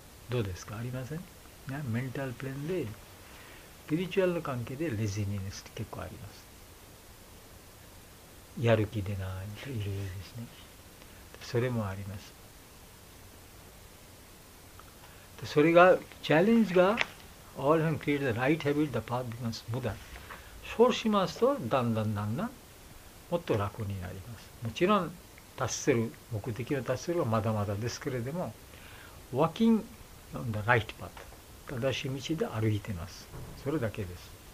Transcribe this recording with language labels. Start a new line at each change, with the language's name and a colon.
Japanese: どうですか、ありません？メンタルプレーンでスピリチュアルの関係でレジネス結構あります。やる気でないといろいろですね。それもあります。それがチャレンジが
English: All of them create the right habit, the path becomes smoother。
Japanese: そうしますとだんだんだんだんもっと楽になります。もちろん達する目的の達するはまだまだですけれども、
English: Walking on the right path、
Japanese: 正しい道で歩いてます。それだけです。